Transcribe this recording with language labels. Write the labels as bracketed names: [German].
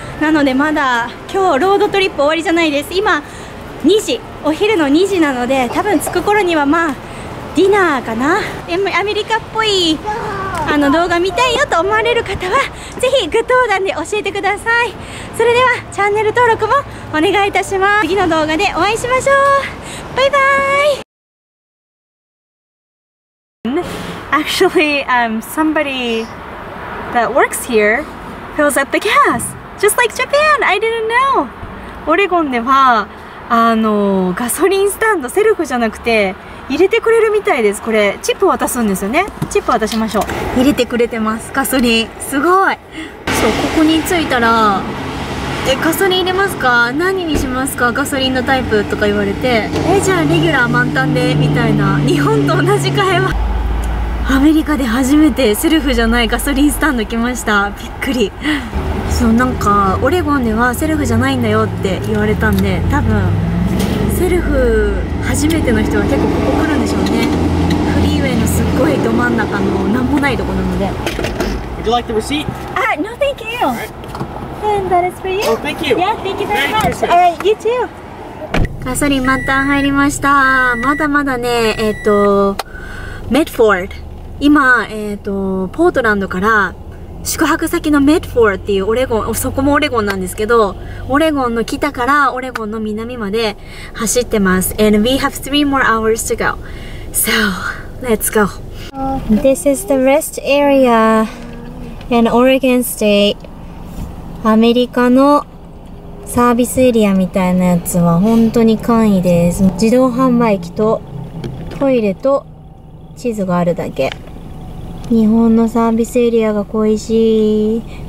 [Japanese] なのでまだ今日ロードトリップ終わりじゃないです。今2時、お昼の2時なので、多分着く頃にはまあディナーかな。でもアメリカっぽいあの動画見たいよと思われる方は、ぜひグッドボタンで教えてください。それではチャンネル登録もお願いいたします。次の動画でお会いしましょう。バイバイ。 [English] Actually, somebody that works here fills up the gas just like Japan. I didn't know. [Japanese] オレゴンではあのガソリンスタンド、セルフじゃなくて入れてくれるみたいです。これチップ渡すんですよね。チップ渡しましょう。入れてくれてます、ガソリン。すごい。そう、ここに着いたら、え、ガソリン入れますか、何にしますか、ガソリンのタイプとか言われて、え、じゃあレギュラー満タンでみたいな。日本と同じ会話。アメリカで初めてセルフじゃないガソリンスタンド来ました。びっくり。そう、なんかオレゴンではセルフじゃないんだよって言われたんで、多分セルフ初めての人は結構ここ来るんでしょうね。フリーウェイのすっごいど真ん中のなんもないとこなので。 [English] Would you like the receipt? Ah, no, thank you. Alright. And that is for you. Oh, thank you. Yeah, thank you very much. Alright, you too. [Japanese] ガソリン満タン入りました。まだまだね、メッフォード、今、ポートランドから宿泊先のメッフォードっていうオレゴン、そこもオレゴンなんですけど、オレゴンの北からオレゴンの南まで走ってます。 [English] And we have three more hours to go. So, let's go. This is the rest area in Oregon State. [Japanese] アメリカのサービスエリアみたいなやつは本当に簡易です。自動販売機とトイレと地図があるだけ。日本のサービスエリアが恋しい。